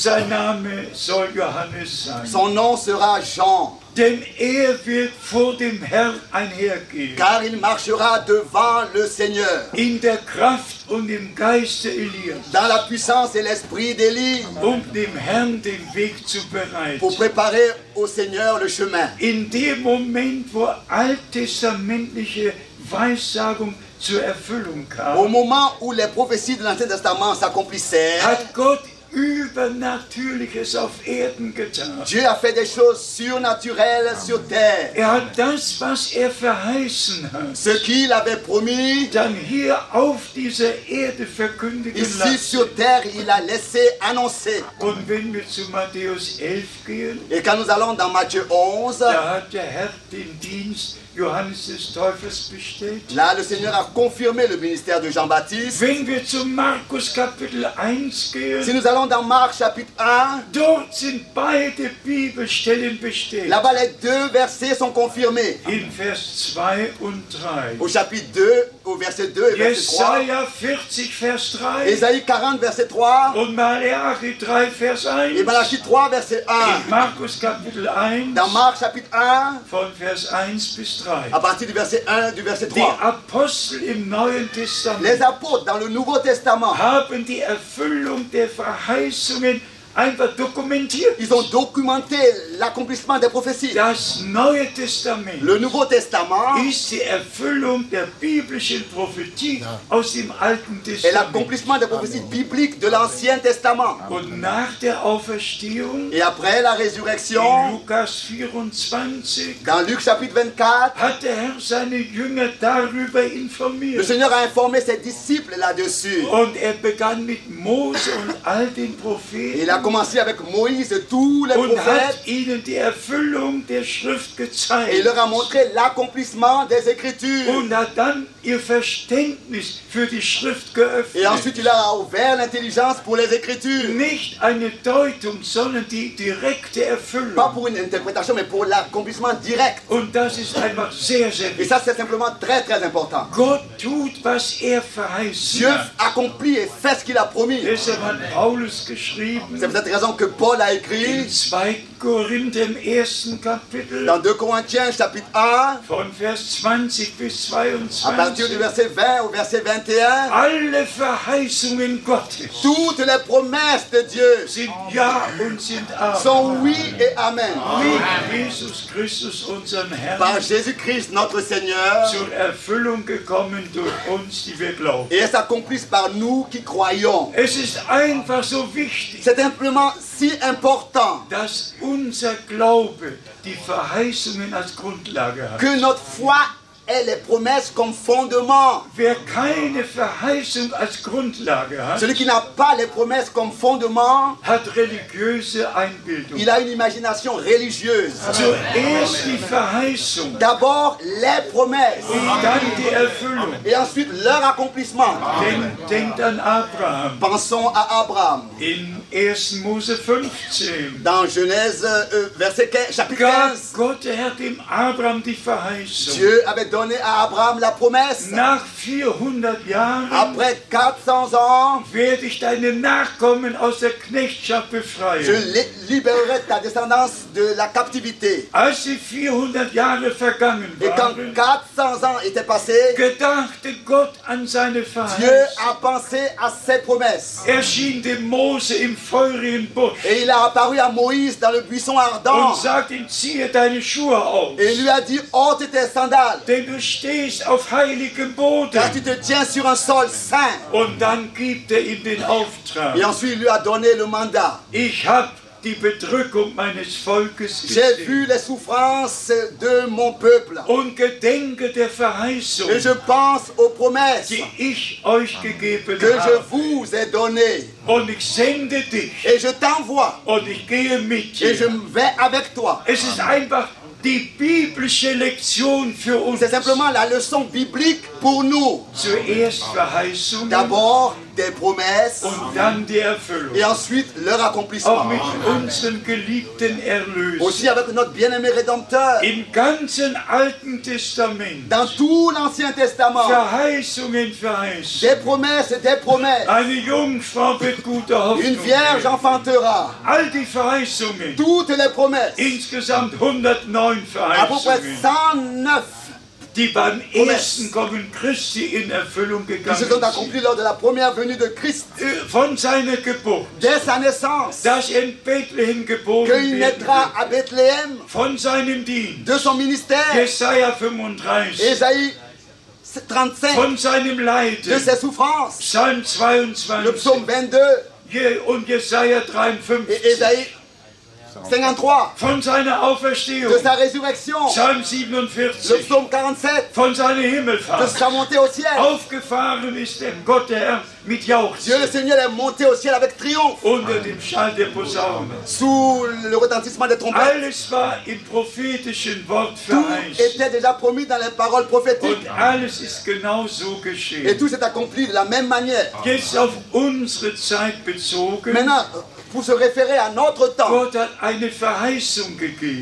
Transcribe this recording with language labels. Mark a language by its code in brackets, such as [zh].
[de] Sein Name soll Johannes sein. [fr] Son nom sera Jean. [de] Denn er wird vor dem Herrn einhergehen. [fr] Car il marchera devant le Seigneur. [de] In der Kraft und im Geiste Elias. [fr] Dans la puissance et l'esprit d'Élie. [de] Um dem Herrn den Weg zu bereiten. [fr] Pour préparer au Seigneur le chemin. [de] In dem Moment, wo alttestamentliche Weissagung zur Erfüllung kam. [fr] Au moment où les prophéties de l'Ancien Testament s'accomplissaient. [de] Hat Gott Übernatürliches auf Erden getan. [fr] Dieu a fait des choses surnaturelles sur terre. [de] Er hat das, was er verheißen hat, [fr] ce qu'il avait promis, [de] dann hier auf dieser Erde verkündigen [fr] ici [de] lassen. [fr] Ici sur terre, il a laissé annoncer. [de] Und wenn wir zu Matthäus 11 gehen, [fr] et quand nous allons dans Matthieu 11, [de] da hat der Herr den Dienst Johannes des Täufers bestellt. [fr] Là, le Seigneur a confirmé le ministère de Jean-Baptiste. [de] Wenn wir zu Markus Kapitel 1 gehen, [fr] si nous allons dans Marc chapitre 1, [de] dort sind beide Bibelstellen bestellt. [fr] Là-bas, les deux versets sont confirmés. [de] In Vers 2 und 3. [fr] Au chapitre 2, au verset 2 et verset 3. [de] Jesaja 40, Vers 3. [fr] Ésaïe 40, verset 3. [de] Und Malachi 3, Vers 1. [fr] Et Malachi 3, verset 1. [de] In Markus Kapitel 1. [fr] Dans Marc chapitre 1. [de] Von Vers 1 bis [fr] à partir du verset 1, du verset 3. [de] Die Apostel im Neuen Testament, [fr] les apôtres dans le Nouveau Testament, [de] haben die Erfüllung der Verheißungen einfach dokumentiert. [fr] Ils ont documenté l'accomplissement des prophéties. [de] Das Neue Testament, [fr] le Nouveau Testament, [de] ist die Erfüllung der biblischen Prophetie aus dem Alten Testament. [fr] Et l'accomplissement des prophéties bibliques de l'Ancien Testament. [de] Und nach der Auferstehung, [fr] et après la résurrection, [de] in Lukas 24, [fr] dans Luc chapitre 24, [de] hat der Herr seine Jünger darüber informiert. [fr] Le Seigneur a informé ses disciples là-dessus. [de] Und er begann mit Mose und all den Propheten. [fr] Il a commencé avec Moïse et tous les [de] und [fr] prophètes. [de] Hat ihnen die Erfüllung der Schrift gezeigt. [fr] Et il leur a montré l'accomplissement des Écritures. [de] Und hat dann ihr Verständnis für die Schrift geöffnet. [fr] Et ensuite, il leur a ouvert l'intelligence pour les Écritures. [de] Nicht eine Deutung, sondern die direkte Erfüllung. [fr] Pas pour une interprétation, mais pour l'accomplissement direct. [de] Und das ist einfach sehr, sehr wichtig. [fr] Et ça, c'est simplement très, très important. [de] Gott tut, was er verheißen. [fr] Dieu accomplit et fait ce qu'il a promis. [de] Deshalb hat Paulus geschrieben. [fr] C'est pour cette raison que Paul a écrit [de] in 2 Corinthiens 1 Kapitel, [fr] dans 2 Corinthiens chapitre 1 [de] von Vers 20 bis 22, [fr] à partir du verset 20 au verset 21, [de] alle Verheißungen Gottes, [fr] toutes les promesses de Dieu [de] sind ja und sind amen, [fr] sont oui et amen. [de] Oui, Jesus Christus, unserem Herrn, [fr] par Jésus-Christ notre Seigneur, [de] zur Erfüllung gekommen durch uns, die wir glauben. [fr] Et est accomplie par nous qui croyons. [de] Es ist einfach so wichtig. [fr] C'est simplement si important, [de] dass unser Glaube die Verheißungen als Grundlage hat. [fr] Que notre foi ait les promesses comme fondement. [de] Wer keine Verheißung als Grundlage hat, [fr] celui qui n'a pas les promesses comme fondement, [de] hat religiöse Einbildung. [fr] Il a une imagination religieuse. [de] Zuerst die Verheißung. [fr] D'abord les promesses. [de] Et dann die Erfüllung. [fr] Et ensuite leur accomplissement. [de] Denkt an Abraham. [fr] Pensons à Abraham. [de] In 1 Mose 15. [fr] Dans Genèse, verset 15, chapitre 15. [de] Gott hat dem Abraham die Verheißung. [fr] Dieu avait donné à Abraham la promesse. [de] Nach 400 Jahren, [fr] après 400 ans, [de] werde ich deine Nachkommen aus der Knechtschaft befreien. [fr] Je libérerai ta descendance de la captivité. [de] Als die 400 Jahre vergangen waren, [fr] et quand 400 ans étaient passés, [de] gedachte Gott an seine Verheißung. [fr] Dieu a pensé à ses promesses. [de] Erschien dem Mose im feurigen Busch. [fr] Et il a apparu à Moïse dans le buisson ardent. [de] Und sagte ihm, ziehe deine Schuhe aus. [fr] Et lui a dit, ôte tes sandales. [de] Denn du stehst auf heiligem Boden. [fr] Car tu te tiens sur un sol saint. [de] Und dann gibt er ihm den Auftrag. [fr] Et ensuite, lui a donné le mandat. [de] Ich habe die Bedrückung meines Volkes gesehen. [fr] J'ai vu les souffrances de mon peuple. [de] Und gedenke der Verheißung. [fr] Et je pense aux promesses. [de] Die ich euch gegeben [fr] que [de] habe. [fr] Je vous ai donné. [de] Und ich sende dich. [fr] Et je t'envoie. [de] Und ich gehe mit dir. [fr] Et je vais avec toi. [de] Es ist einfach die biblische Lektion für uns. [fr] C'est simplement la leçon biblique pour nous. [de] Zuerst Verheißungen. [fr] D'abord des promesses [de] und dann die Erfüllung. [fr] Et ensuite leur accomplissement. [de] Auch mit unseren geliebten Erlöser. [fr] Aussi avec notre bien-aimé Rédempteur. [de] Im ganzen Alten Testament. [fr] Dans tout l'Ancien Testament. [de] Verheißungen, Verheißungen. [fr] Des promesses et des promesses. [de] Eine Jungfrau wird gute Hoffnung. [fr] Une vierge enfantera. [de] All die Verheißungen. [fr] Toutes les promesses. [de] Insgesamt 109 Verheißungen. [fr] À peu près 109. [de] Die beim ersten Kommen Christi in Erfüllung gegangen ist. Von seiner Geburt. [fr] Dès sa naissance. [de] Dass in Bethlehem geboren wird. [fr] Qu'il naîtra à Bethléem. [de] Von seinem Dienst. [fr] De son ministère. [de] Jesaja 35. [fr] Esaïe 35. [de] Von seinem Leiden. [fr] De ses souffrances. [de] Psalm 22. [fr] Le psaume 22. [de] Und Jesaja 53. [fr] Esaïe 53. [de] Von seiner Auferstehung. [fr] De sa résurrection. [de] Psalm 47. [fr] Le psaume 47. [de] Von seiner Himmelfahrt. [fr] De sa montée au ciel. [de] Aufgefahren ist der Gott der Herr mit Jauchzen. [fr] Dieu le Seigneur est monté au ciel avec triomphe. [de] Unter dem Schall der Posaunen. [fr] Sous le retentissement des trompettes. [de] Alles war im prophetischen Wort vereint. [fr] Tout était déjà promis dans les paroles prophétiques. [de] Und alles ist genau so geschehen. [fr] Et tout s'est accompli de la même manière. [de] Jetzt auf unsere Zeit bezogen. [fr] Maintenant, pour se référer à notre temps. [de] Gott hat eine Verheißung gegeben.